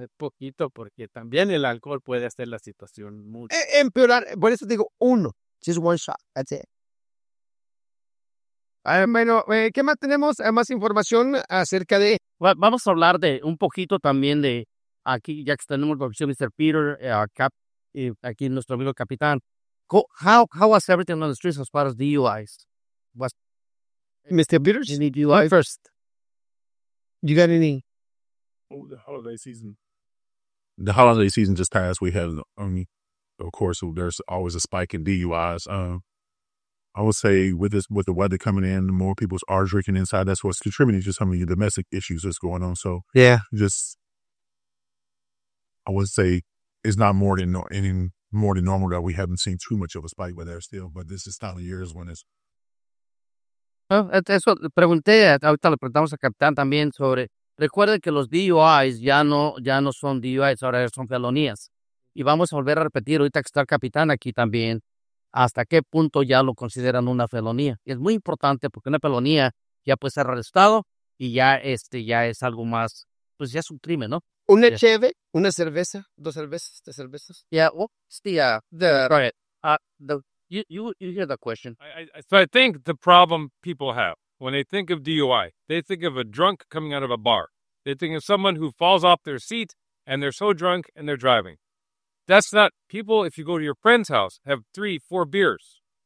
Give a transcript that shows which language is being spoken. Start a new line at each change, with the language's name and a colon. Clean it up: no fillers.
Spanish: Es poquito, porque también el alcohol puede hacer la situación mucho. Empeorar, por eso digo uno.
English: Just one shot, that's it.
Spanish: ¿Qué más tenemos? Más información acerca de... Bueno, vamos a hablar de un poquito también de aquí, ya que tenemos la opción Mr. Peter, aquí nuestro amigo capitán.
English: How was everything on the streets as far as DUIs? Mr. Peter, you need DUI first. You got any? Oh, the holiday season. The holiday season just passed. We had, of course, there's always a spike in DUIs. I would say with the weather coming in, more people are drinking inside. That's what's contributing to some of the domestic issues that's going on. So yeah, just, I would say it's not more than normal that we haven't seen too much of a spike with there still, but this is time of year is when it's.
Spanish: Eso pregunté, ahorita le preguntamos al capitán también sobre, recuerde que los DUIs ya no son DUIs, ahora son felonías. Y vamos a volver a repetir ahorita que está el capitán aquí también. ¿Hasta qué punto ya lo consideran una felonía? Es muy importante porque una felonía ya puede ser arrestado y ya ya es algo más, pues ya es un crimen, ¿no? Una cheve, una cerveza, dos cervezas, tres cervezas.
English: Yeah, what's the right? You hear the question? So I think the problem people have when they think of DUI, they think of a drunk coming out of a bar. They think of someone who falls off their seat and they're so drunk and they're driving. That's not, people, if you go to your friend's house, have 3-4 beers.